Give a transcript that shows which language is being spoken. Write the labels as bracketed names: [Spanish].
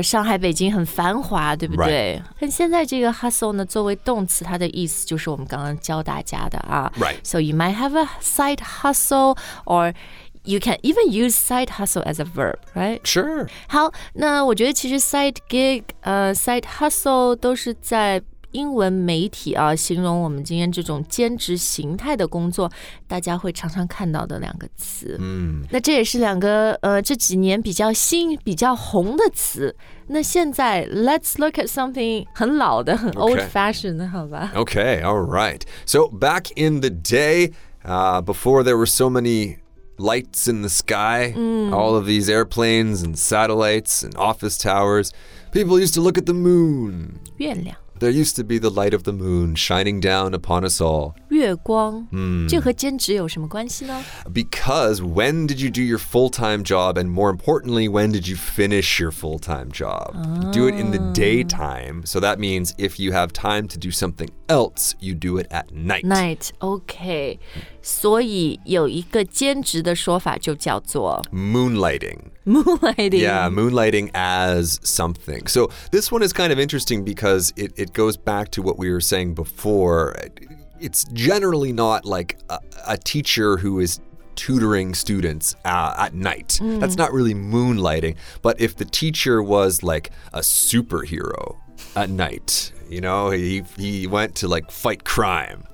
[Chinese] Or 上海北京很繁华对不对 [English] Right. [Chinese] 现在这个 hustle 呢作为动词它的意思就是我们刚刚教大家的啊 [English] Right. So you might have a side hustle or you can even use side hustle as a verb, right? Sure. [Chinese] 好那我觉得其实 side gig,、side hustle 都是在英文媒体啊形容我们今天这种兼职形态的工作大家会常常看到的两个词、 mm. 那这也是两个这几年比较新比较红的词那现在 [English] let's look at something [Chinese] 很老的很 old fashioned 的、 [English] okay. [Chinese] 好吧 [English] Okay, alright So back in the day、before there were so many lights in the sky、 mm. all of these airplanes and satellites and office towers people used to look at the moon [Chinese] 月亮 [English] There used to be the light of the moon shining down upon us all. [Chinese] 月光、 mm. 这和兼职有什么关系呢 [English] Because when did you do your full-time job and more importantly, when did you finish your full-time job?、 Oh. Do it in the daytime. So that means if you have time to do something else, you do it at night. Night, okay. [Chinese] 所以有一个兼职的说法就叫做 [English] Moonlighting. Moonlighting. Yeah, moonlighting as something. So this one is kind of interesting because it goes back to what we were saying before. It's generally not like a teacher who is tutoring students、at night.、 Mm. That's not really moonlighting. But if the teacher was like a superhero at night, you know, he went to like fight crime.